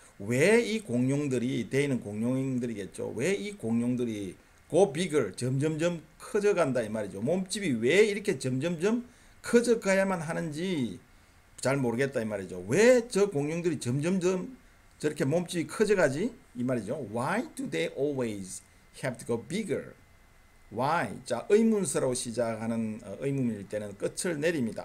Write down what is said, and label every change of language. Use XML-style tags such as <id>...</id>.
<ko>왜 이 공룡들이, 대인은 공룡들이겠죠. 왜 이 공룡들이</ko> <en>go bigger,</en> <ko>점점점 커져간다 이 말이죠. 몸집이 왜 이렇게 점점점 커져가야만 하는지 잘 모르겠다 이 말이죠. 왜 저 공룡들이 점점점 저렇게 몸집이 커져가지 이 말이죠.</ko> <en>Why do they always have to go bigger? Why?</en> <ko>자, 의문사로 시작하는 의문일 때는 끝을 내립니다.</ko>